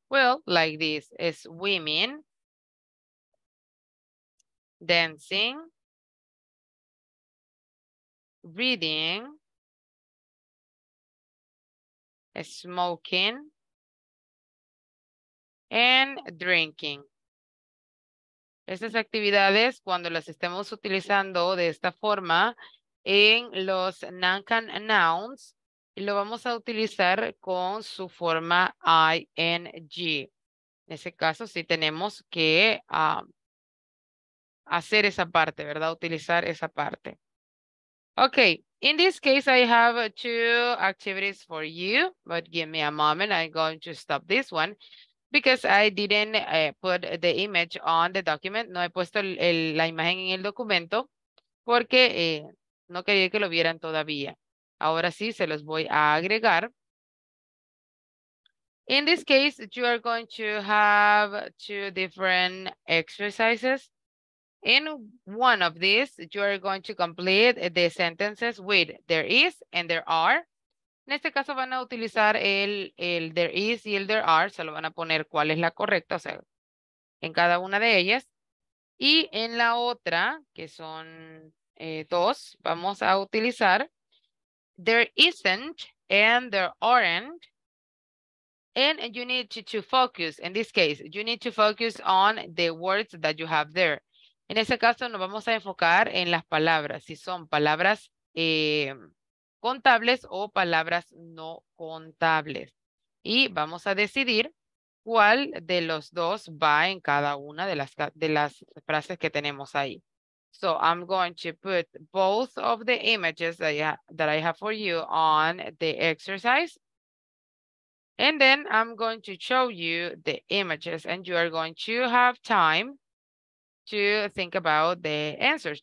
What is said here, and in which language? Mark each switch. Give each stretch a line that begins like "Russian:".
English: Well, like this is women, dancing, reading, smoking, and drinking.
Spanish: Estas actividades, cuando las estemos utilizando de esta forma en los
English: non-can nouns,
Spanish: lo vamos a utilizar con su forma ing. En ese caso, sí tenemos que hacer esa parte, ¿verdad? Utilizar esa parte.
English: Okay, in this case, I have two activities for you, but give me a moment, I'm going to stop this one. Because I didn't put the image on the document.
Spanish: No he puesto la imagen en el documento porque no quería que lo vieran todavía. Ahora sí, se los voy a agregar.
English: In this case, you are going to have two different exercises. In one of these, you are going to complete the sentences with there is and there are.
Spanish: En este caso van a utilizar el
English: there is
Spanish: y el
English: there are,
Spanish: se lo van a poner cuál es la correcta, o sea, en cada una de ellas. Y en la otra, que son dos, vamos a utilizar
English: there isn't and there aren't. And you need to focus, in this case, you need to focus on the words that you have there.
Spanish: En este caso nos vamos a enfocar en las palabras, si son palabras contables o palabras no contables. Y vamos a decidir cuál de los dos va en cada una de las frases que tenemos ahí.
English: So I'm going to put both of the images that I have for you on the exercise. And then I'm going to show you the images and you are going to have time to think about the answers.